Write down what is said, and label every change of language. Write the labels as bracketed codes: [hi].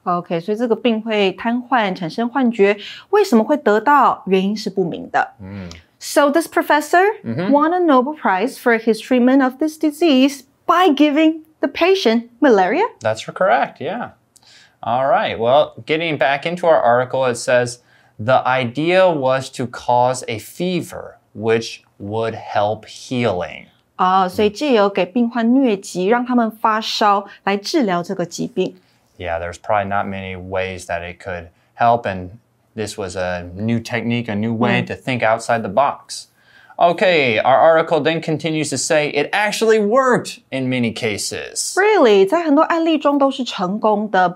[zh] Okay, 所以这个病会瘫痪，产生幻觉，为什么会得到？原因是不明的。 [en] So this professor won a Nobel Prize for his treatment of this disease by givingthe patient, malaria? That's correct, yeah. All right, well, getting back into our article, it says, the idea was to cause a fever, which would help healing. [zh] 所以藉由给病患疟疾，让他们发烧来治疗这个疾病。 [en] Yeah, there's probably not many ways that it could help, and this was a new technique, a new way to think outside the box. Okay, our article then continues to say it actually worked in many cases. Really? [zh] 在很多案例中都是成功的。